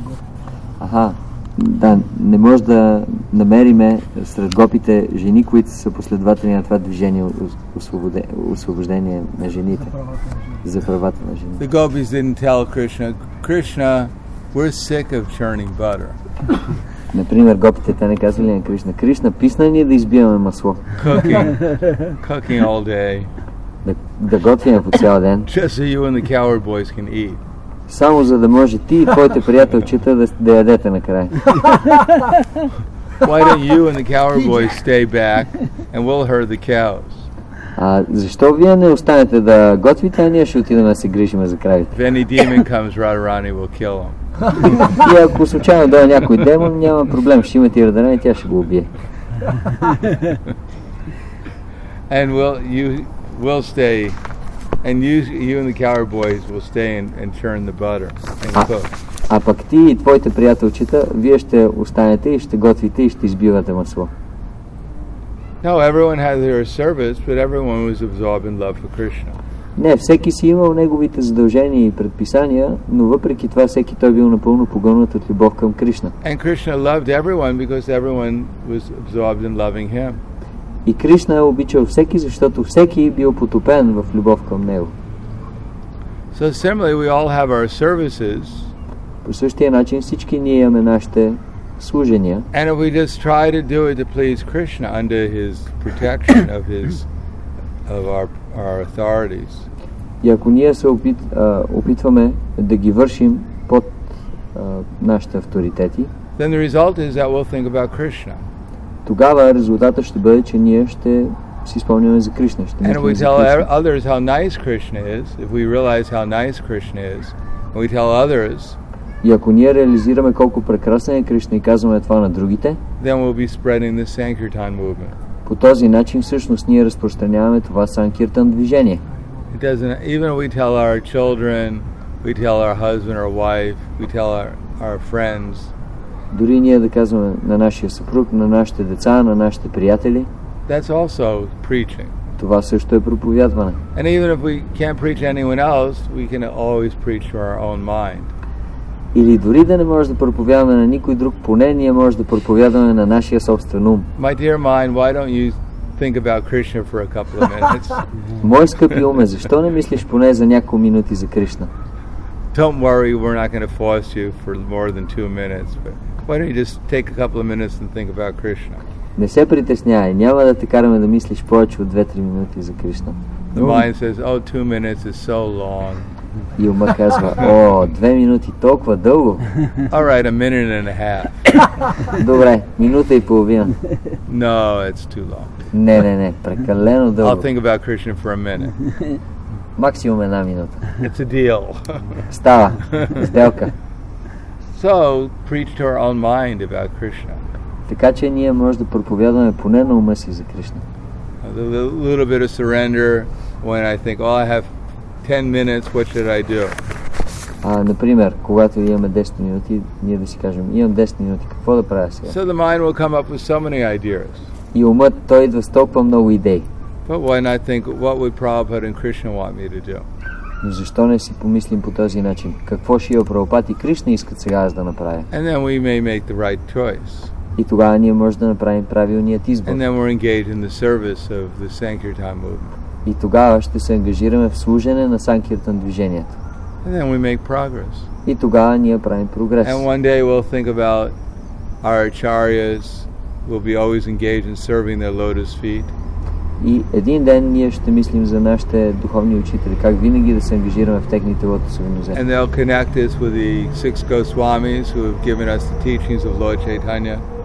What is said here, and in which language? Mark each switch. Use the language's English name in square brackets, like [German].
[Bulgarian] гопите. Аха, да, не може да намериме сред гопите жени, които са последователи на това движение освобождение на жените. За правата на жените. [English] The gopis didn't tell Krishna, Krishna, we're sick of churning butter. [Bulgarian] Например, гопите те не казали на Кришна, Кришна, писна ни да избиваме масло. [English] Cooking all day. [Bulgarian] Да готвим по цял ден. [English] Just so you and the coward boys can eat. [Bulgarian] Само за да може ти и твоите приятелчета да ядете накрая. [English] Why don't you and the coward boys stay back and we'll herd the cows? [Bulgarian] Защо вие не останете да готвите, а ние ще отидем да се грижим за кравите? [English] If any demon comes, Radharani will kill him. [Bulgarian] И ако случайно дойде някой демон, няма проблем, ще имате Радарани, тя ще го убие. [English] And we'll stay, and you and the coward boys will stay and churn the butter and cook. [Bulgarian] А пък ти и твоите приятелчета, вие ще останете и ще готвите и ще избивате масло. [English] No, everyone had their service, but everyone was absorbed in love for Krishna. [Bulgarian] Не, всеки си имал неговите задължения и предписания, но въпреки това всеки той бил напълно погълнат от любов към Кришна. [English] And Krishna loved everyone because everyone was absorbed in loving him. [Bulgarian] И Кришна е обичал всеки, защото всеки е бил потопен в любов към Него. [English] So similarly, we all have our services. [Bulgarian] По същия начин всички ние имаме нашите служения. [English] And if we just try to do it to please Krishna under His protection of His of our authorities. [Bulgarian] И ако ние се опитваме да ги вършим под нашите авторитети. [English] Then the result is that we'll think about Krishna. [Bulgarian] Тогава резултатът ще бъде, че ние ще си спомняме за Кришна. Ще [English] and if we tell others how nice Krishna is, if we realize how nice Krishna is, and we tell others, [Bulgarian] и ако ние реализираме колко прекрасен е Кришна и казваме това на другите, [English] then we'll be spreading the Sankirtan movement. [Bulgarian] По този начин всъщност ние разпространяваме това Санкиртан движение. [English] It doesn't, even if we tell our children, we tell our husband or wife, we tell our friends, [Bulgarian] дори ние да казваме на нашия съпруг, на нашите деца, на нашите приятели. [English] That's also preaching. [Bulgarian] Това също е проповядване. [English] And even if we can't preach anyone else, we can always preach to our own mind. [Bulgarian] Или дори да не може да проповядваме на никой друг, поне ние може да проповядваме на нашия собствен ум. [English] My dear mind, why don't you think about Krishna for a couple of minutes? [Bulgarian] Мой скъпи уме, защо не мислиш поне за няколко минути за Кришна? [English] Don't worry, we're not going to force you for more than 2 minutes, but why don't you just take a couple of minutes and think about Krishna? [Bulgarian] Не се притесняй, няма да те караме да мислиш повече от 2-3 минути за Кришна. [English] The mind says, oh, 2 minutes is so long. [Bulgarian] Юма казва, о, две минути, толкова дълго. [English] All right, a minute and a half. [Bulgarian] Добре, минута и половина. [English] No, it's too long. [Bulgarian] Не, не, не, прекалено дълго. [English] I'll think about Krishna for a minute. [Bulgarian] Максимум една минута. [English] It's a deal. [Bulgarian] Става, сделка. [English] So, preach to our own mind about Krishna. [Bulgarian] Така че ние може да проповядваме поне на ума си за Кришна. [English] A little bit of surrender when I think, oh, I have 10 minutes, what should I do? [Bulgarian] Например, когато имаме 10 минути, ние да си кажем, имам 10 минути, какво да правя сега? [English] So the mind will come up with so many ideas. [Bulgarian] И умът, той идва с толкова много идеи. [English] But why not think, what would Prabhupada and Krishna want me to do? [Bulgarian] Но защо не си помислим по този начин? Какво ще Шрила Прабхупада и Кришна искат сега аз да направя? [English] And then we may make the right choice. [Bulgarian] И тогава ние можем да направим правилният избор. [English] And then we're engaged in the service of the Sankirtan movement. [Bulgarian] И тогава ще се ангажираме в служене на Санкиртан движението. [English] And then we make progress. [Bulgarian] И тогава ние правим прогрес. [English] And one day we'll think about our acharyas will be always engaged in serving their lotus feet. [Bulgarian] И един ден ние ще мислим за нашите духовни учители, как винаги да се ангажираме в техните лотосови нозе. [English] And they'll connect us with the six Goswamis who have given us the teachings of Lord Chaitanya.